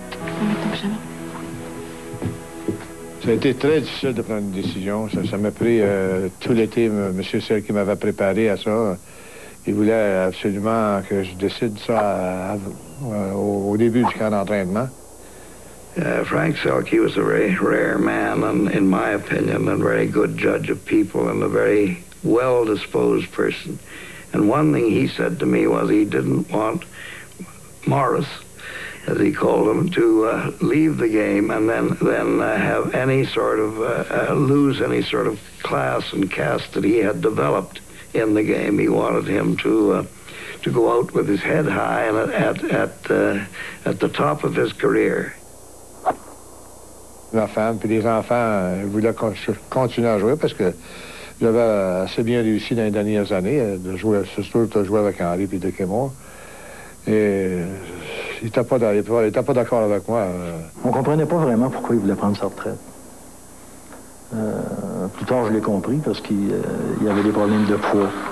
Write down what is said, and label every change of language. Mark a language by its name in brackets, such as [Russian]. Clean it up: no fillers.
[French] Tu peux mettre ton pyjama? Ça a été très difficile de prendre une décision. Ça m'a pris tout l'été. Monsieur, celle qui m'avait préparé à ça, il voulait absolument que je décide ça au début du camp d'entraînement. [English] Frank Selke was a very rare man, and in my opinion, a very good judge of people and a very well-disposed person. And one thing he said to me was he didn't want Morris, as he called him, to leave the game and then have any sort of lose any sort of class and caste that he had developed in the game. He wanted him to go out with his head high and at the top of his career. [French] Ma femme puis les enfants voulaient continuer à jouer parce que j'avais assez bien réussi dans les dernières années de jouer, surtout de jouer avec Henri puis de Kémon. Et il n'était pas d'accord avec moi. On ne comprenait pas vraiment pourquoi il voulait prendre sa retraite. Plus tard, je l'ai compris parce qu'il avait des problèmes de poids.